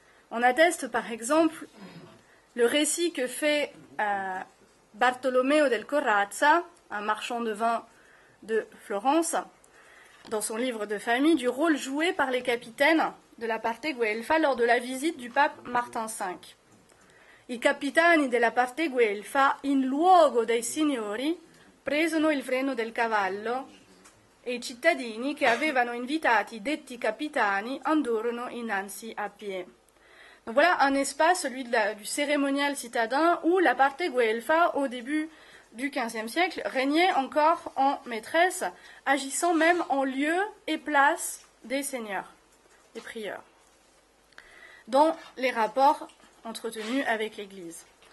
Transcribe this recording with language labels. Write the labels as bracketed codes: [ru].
[fr] On atteste par exemple le récit que fait Bartolomeo del Corrazza, un marchand de vin de Florence, dans son livre de famille, du rôle joué par les capitaines de la parte guelfa lors de la visite du pape Martin V. [it] I capitani della parte guelfa, in luogo dei signori, presero il freno del cavallo e i cittadini che avevano invitati detti capitani andorono innanzi a pie. [fr] Donc voilà un espace, celui du cérémonial citadin, où la parte guelfa, au début du XVe siècle, régnait encore en maîtresse, agissant même en lieu et place des seigneurs, des prieurs, dans les rapports entretenus avec l'Église.